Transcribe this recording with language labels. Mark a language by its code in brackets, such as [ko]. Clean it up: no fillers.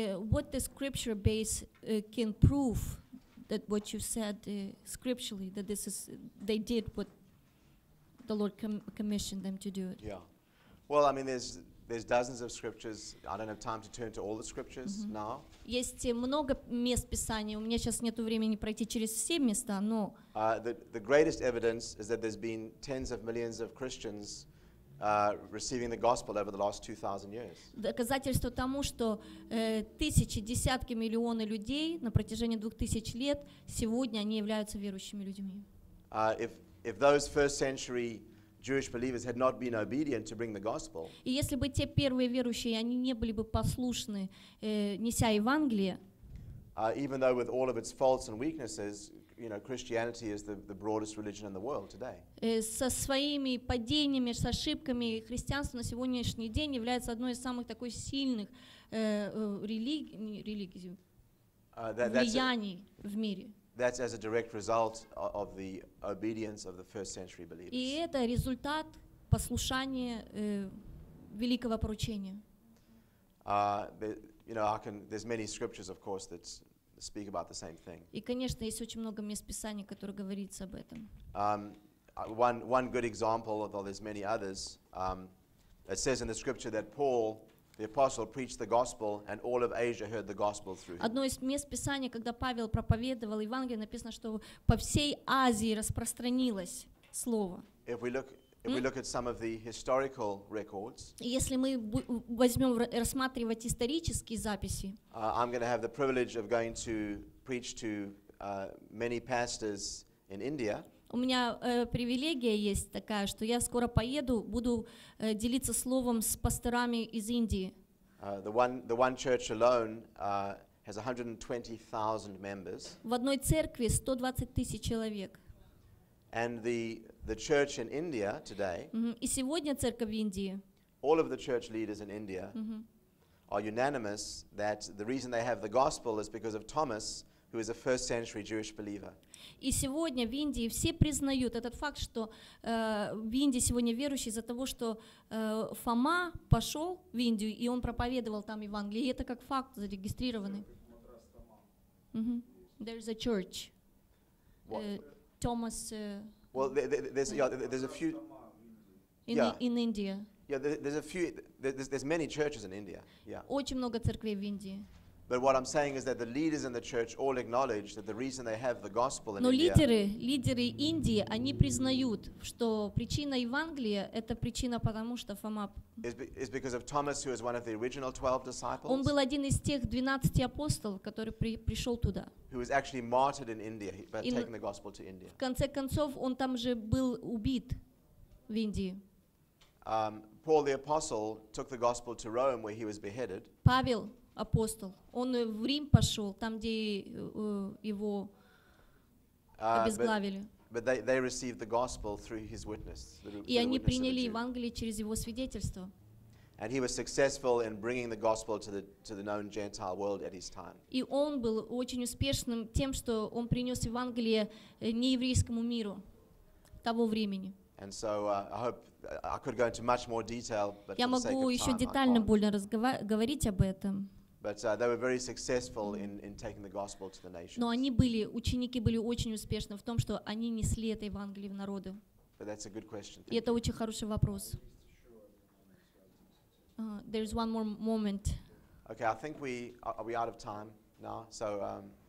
[en] What the scripture base can prove that what you said scripturally that this is they did what the Lord commissioned them to do it. Yeah. Well, I mean, there's dozens of scriptures. I don't have time to turn to all the scriptures now. [ru] Есть много мест Писания. У меня сейчас нету времени пройти через все места, но. [en] The greatest evidence is that there's been tens of millions of Christians receiving the gospel over the last 2,000 years. [ru] Доказательство тому, что тысячи, десятки миллионы людей на протяжении 2000 лет сегодня они являются верующими людьми. [en] If those first century Jewish believers had not been obedient to bring the gospel. [ru] И если бы те первые верующие, они не были бы послушны, неся Евангелие. [en] Even though with all of its faults and weaknesses, you know, Christianity is the broadest religion in the world today. [ru] Со своими падениями, с ошибками, христианство на сегодняшний день является одной из самых такой сильных религий, влияний в мире. [en] That's as a direct result of the obedience of the first century believers. [ru] И это результат послушания великого поручения. [en] There's many scriptures, of course, that speak about the same thing. [ru] И конечно, есть очень много мест Писания, которые говорится об этом. [en] One good example, although there's many others, it says in the scripture that Paul, the apostle, preached the gospel, and all of Asia heard the gospel through him. [ru] Одно из мест Писания, когда Павел проповедовал Евангелие, написано, что по всей Азии распространилось слово. [en] If we look at some of the historical records, [ru] если мы возьмем рассматривать исторические записи, [en] I'm going to have the privilege of going to preach to many pastors in India. [ru] У меня привилегия есть такая, что я скоро поеду, буду делиться словом с пасторами из Индии. [en] The one church alone has 120,000 members. [ru] В одной церкви 120 тысяч человек. [en] And the church in India today. [ru] И сегодня церковь в Индии. [en] All of the church leaders in India are unanimous that the reason they have the gospel is because of Thomas, who is a first century Jewish believer. [ru] И сегодня в Индии все признают этот факт, что в Индии сегодня верующие из-за того, что Фома пошел в Индию, и он проповедовал там Евангелие. И это как факт зарегистрированный. [en] There is a church. Thomas. Well, there's a few. In India. Yeah, there's many churches in India. Yeah. [ru] Очень много церквей в Индии. [en] But what I'm saying is that the leaders in the church all acknowledge that the reason they have the gospel in India. [ru] Но лидеры Индии, они признают, что причина Евангелия это причина потому что Фома. [en] Is because of Thomas, who is one of the original 12 disciples. [ru] Он был один из тех 12 апостолов, который пришел туда. [en] Who was actually martyred in India by taking the gospel to India. [ru] В конце концов он там же был убит в Индии. [en] Paul the apostle took the gospel to Rome, where he was beheaded. [ru] Павел апостол. Он в Рим пошел, там, где его обезглавили. [en] But they received the gospel through his witness. [ru] И они приняли Евангелие через его свидетельство. [en] And he was successful in bringing the gospel to the known Gentile world at his time. [ru] И он был очень успешным тем, что он принес Евангелие нееврейскому миру того времени. [en] And so I hope I could go into much more detail, but [ru] я могу еще детально более говорить об этом. [en] But they were very successful in taking the gospel to the nations. [ru] Но они были, ученики были очень успешны в том, что они несли это Евангелие в народы. [en] But that's a good question. [ru] И это очень хороший вопрос. [en] There is one more moment. Okay, I think are we out of time now? So